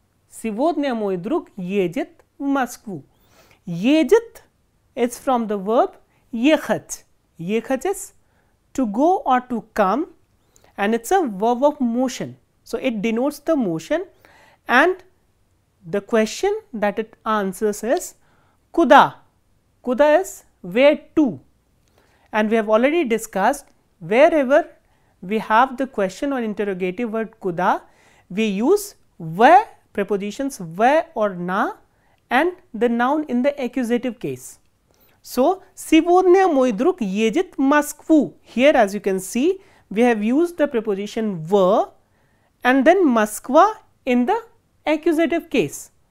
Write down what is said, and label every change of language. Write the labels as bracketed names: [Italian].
[Russian] Сегодня мой друг едет в Москву. [English] Едет is from the verb ехать. Ехать is to go or to come, and it's a verb of motion. So it denotes the motion, and the question that it answers is куда. Куда is where to, and we have already discussed wherever we have the question or interrogative word куда, we use where prepositions ve or na and the noun in the accusative case. [Russian] So, сегодня мой друг едет в Москву. [English] Here, as you can see, we have used the preposition в and then Москва in the accusative case.